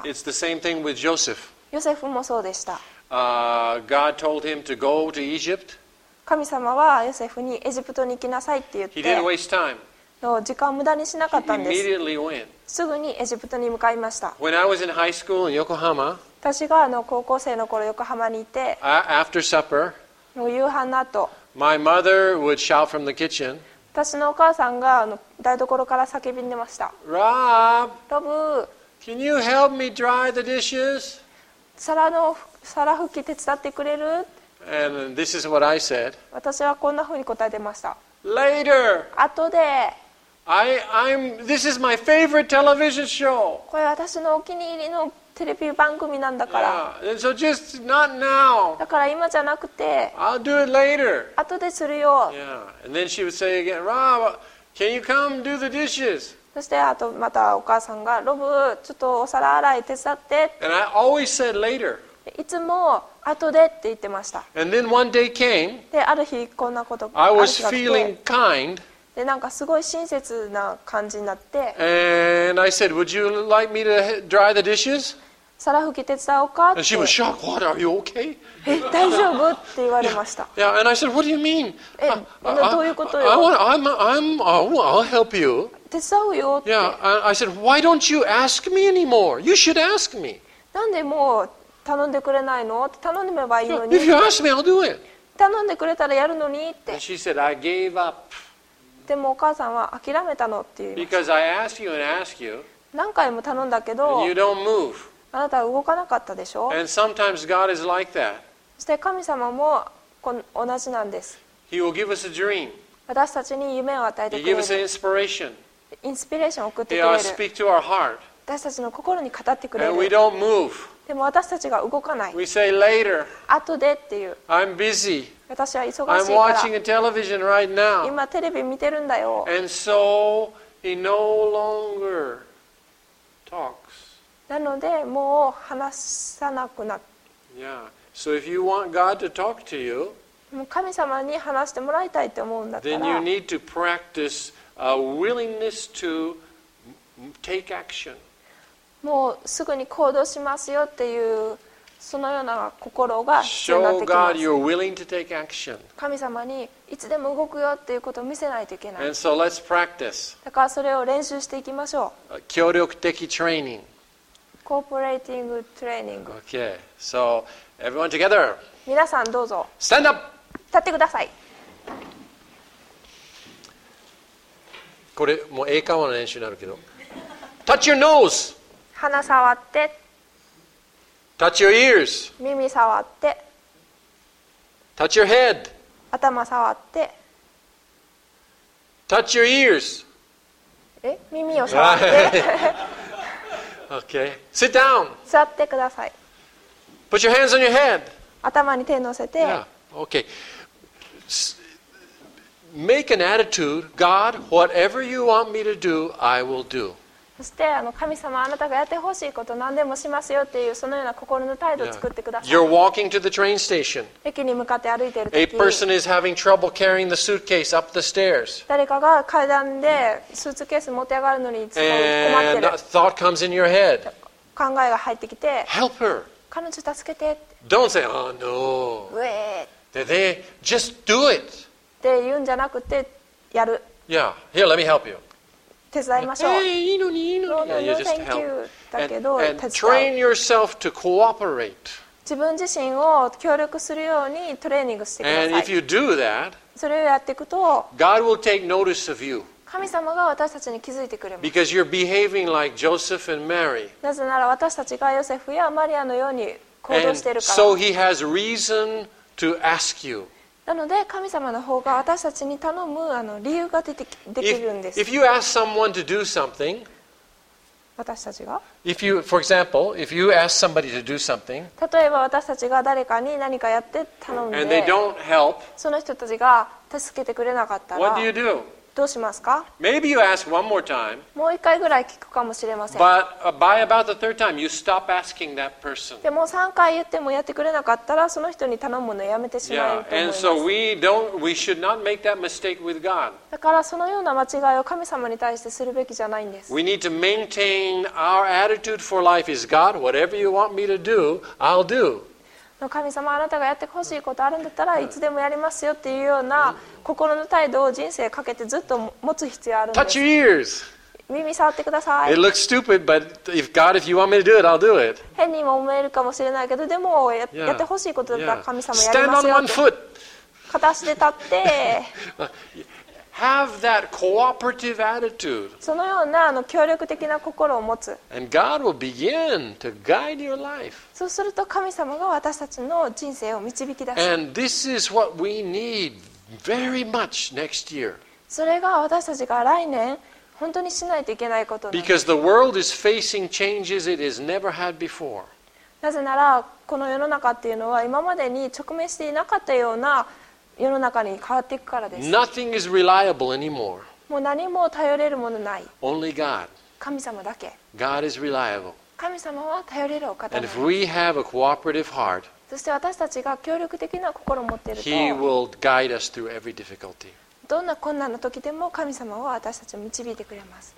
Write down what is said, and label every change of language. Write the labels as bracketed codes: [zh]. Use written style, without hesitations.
[en] It's the same thing with Joseph. [ja] ヨセフもそうでした。 [en] God told him to go to Egypt. [ja] 神様はヨセフにエジプトに行きなさいって言って、 [en] He didn't waste time. [ja] 時間を無駄にしなかったんです。 [en] He immediately went. [ja] すぐにエジプトに向かいました。 [en] When I was in high school in Yokohama, [ja] 私が高校生の頃横浜にいて、 [en] After supper, [ja] 夕飯の後、 [en] My mother would shout from the kitchen. [ja] 私のお母さんが台所から叫びんでました。 [en] Rob, [ja] ロブ、 [en] Can you help me dry the dishes? [ja] 皿拭き手伝ってくれる？ [en] And this is what I said. [ja] 私はこんなふうに答えてました。 [en] Later, [ja] 後で。 [en] This is my favorite television show. [ja] これ私のお気に入りのテレビ番組なんだから。 [en] Yeah. And so just not now. [ja] だから今じゃなくて。 [en] I'll do it later. [ja] 後でするよ。 [en] Yeah. And then she would say again, Rob, can you come do the dishes? [ja] そしてあとまたお母さんが、ロブ、ちょっとお皿洗い手伝って。 [en] And I always said later. [ja] いつも後でって言ってました。 [en] And then one day came. [ja] で、ある日こんなことが来て。 [en] I was feeling kind. [ja] でなんかすごい親切な感じになって、 [en] And I said, Would you like me to dry the dishes? [ja] 皿拭き手伝おうかって。 [en] And she was shocked. What? Are you okay? [ja] 大丈夫って言われました。 [en] Yeah, and I said, What do you mean? [ja] どういうことよ。 [en] I'll help you. [ja] 手伝うよって。 [en] Yeah, I said, Why don't you ask me anymore? You should ask me. [ja] なんでもう頼んでくれないの？頼んでればいいのに。 [en] If you ask me, I'll do it. [ja] 頼んでくれたらやるのにって。 [en] And she said, I gave up. [ja] でもお母さんは諦めたのって言います。 [en] Because I asked you and asked you, [ja] 何回も頼んだけど [en] and you don't move. [ja] あなたは動かなかったでしょ。 [en] And sometimes God is like that. [ja] そして神様も同じなんです。 [en] He will give us a dream. [ja] 私たちに夢を与えてくれる。 [en] He gives us inspiration. [ja] インスピレーションを送ってくれる。 [en] He will speak to our heart. [ja] 私たちの心に語ってくれる。 [en] And we don't move. [ja] でも私たちが動かない。 [en] We say later. [ja] 後でっていう。 [en] I'm busy. [ja] 私は忙しいから、 [en] right、now, [ja] 今テレビ見てるんだよ。 [en] And so he no longer talks. [ja] なのでもう話さなくなった [en] 。 Yeah. So if you want God to talk to you, [ja] 神様に話してもらいたいと思うんだったら、 [en] then you need to practice a willingness to take action. [ja] もうすぐに行動しますよっていう。そのような心が必要になってきます。God, 神様にいつでも動くよっていうことを見せないといけない。 [en] And so、let's practice. [ja] だからそれを練習していきましょう。協力的トレーニング、コーポレーティングトレーニング。 [en] OK. So everyone together. [ja] 皆さんどうぞ。 [en] Stand up. [ja] 立ってください。これもう英会話の練習になるけど、 [en] Touch your nose. [ja] 鼻触って。 [en] Touch your ears. [ja] 耳触って。 [en] Touch your head. [ja] 頭触って。 [en] Touch your ears. [ja] え？耳を触って。 [en] Okay. Sit down. [ja] 座ってください。 [en] Put your hands on your head. [ja] 頭に手乗せて。 [en] Yeah. Okay. Make an attitude. God, whatever you want me to do, I will do. [ja] そして神様、あなたがやってほしいこと何でもしますよっていう、そのような心の態度を作ってください。 [en] Yeah. You're walking to the train station. [ja] 駅に向かって歩いている [en] 時、 A person is having trouble carrying the suitcase up the stairs. [ja] 誰かが階段でスーツケース持って上がるのに困ってる。 [en] And thought comes in your head. [ja] 考えが入ってきて、 [en] Help her. [ja] 彼女助けて。 [en] Don't say, oh no. Wait. They just do it. [ja] って言うんじゃなくて、やる。 [en] Yeah, here, let me help you. [ja] 手伝いましょう。いいのにいいのに。 [en] No, no, no, thank you. [ja] だけど、 and 手伝う。 [en] Train yourself to cooperate. [ja] 自分自身を協力するようにトレーニングしてください。 [en] And if you do that, [ja] それをやっていくと、 [en] God will take notice of you. [ja] 神様が私たちに気づいてくれます。 [en] Because you're behaving like Joseph and Mary. [ja] なぜなら私たちがヨセフやマリアのように行動しているから。 [en] And so he has reason to ask you. [ja] なので神様の方が私たちに頼む理由が出てできるんです。 [en] If you ask someone to do something, [ja] 私たちが [en] if you, for example, if you ask somebody to do something, [ja] 例えば私たちが誰かに何かやって頼んで [en] and they don't help, [ja] その人たちが助けてくれなかったら [en] what do you do? [ja] どうしますか。 [en] Maybe you ask one more time, [ja] もう一回ぐらい聞くかもしれません。 [en] But by about the third time, you stop asking that person. [ja] でも3回言ってもやってくれなかったらその人に頼むのやめてしまうと思います。 [en] Yeah. And so we should not make that mistake with God. [ja] だからそのような間違いを神様に対してするべきじゃないんです。 [en] We need to maintain our attitude for life is God, whatever you want me to do, I'll do. [ja] 神様、あなたがやってほしいことあるんだったらいつでもやりますよっていうような心の態度を人生かけてずっと持つ必要あるんです。 [en] Touch your ears. [ja] 耳触ってください。 [en] It looks stupid, but if God, if you want me to do it, I'll do it. [ja] 変にも思えるかもしれないけど、でも [en] yeah, [ja] やってほしいことだったら神様やりますよ。 [en] Stand on one foot. [ja] 片足で立って [en] Have that cooperative attitude. [ja] そのような協力的な心を持つ。 [en] And God will begin to guide your life. [ja] そうすると神様が私たちの人生を導き出す。 [en] And this is what we need very much next year. [ja] それが私たちが来年本当にしないといけないことなんです。 [en] Because the world is facing changes it has never had before. [ja] なぜならこの世の中っていうのは今までに直面していなかったような世の中に変わっていくからです。 [en] Nothing is reliable anymore. [ja] もう何も頼れるものない。 [en] Only God. [ja] 神様だけ。 [en] God is reliable. [ja] 神様は頼れるお方。 [en] And if we have a cooperative heart, [ja] そして私たちが協力的な心を持っていると、 [en] He will guide us through every difficulty. [ja] どんな困難の時でも神様は私たちを導いてくれます。